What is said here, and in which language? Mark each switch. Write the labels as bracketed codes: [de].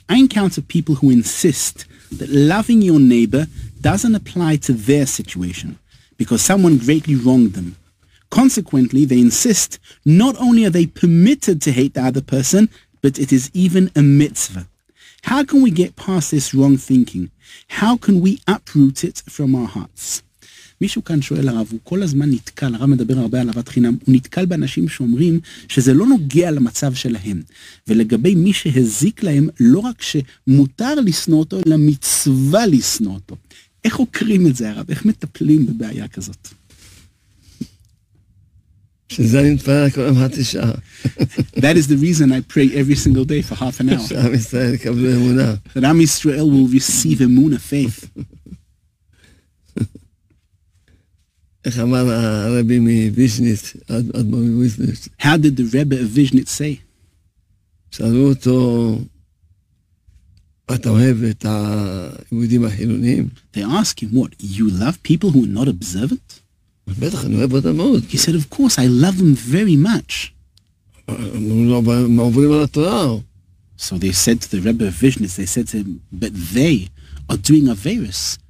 [en] I encounter people who insist that loving your neighbor doesn't apply to their situation because someone greatly wronged them. Consequently, they insist not only are they permitted to hate the other person, but it is even a mitzvah. How can we get past this wrong thinking? How can we uproot it from our hearts? [he] מישהו כאן שואל הרב, הוא כל הזמן נתקל, הרב מדבר הרבה על אהבת חינם, הוא נתקל באנשים שאומרים שזה לא נוגע למצב שלהם, ולגבי מי שהזיק להם, לא רק שמותר לשנוא אותו, אלא מצווה לשנוא אותו. איך עוקרים את זה הרב? איך מטפלים בבעיה כזאת? שזה אני מתפלל כל יום חצי שעה. [en] That is the reason I pray every single day for half an hour. [he] שעם ישראל יקבלו אמונה. [en] That Am Israel will receive emunah, faith. [he] איך אמר הרבי מוויז'ניץ, אדמו"ר מוויז'ניץ? [en] How did the Rebbe of Vizhnitz say? [he] שאלו אותו, אתה אוהב את היהודים החילונים? [en] They ask him, what, you love people who are not observant? [he] בטח, אני אוהב אותם מאוד. [en] He said, of course, I love them very much. [he] הם עוברים על התורה. [en] So they said to the Rebbe of Vizhnitz, they said to him, but they are doing averus.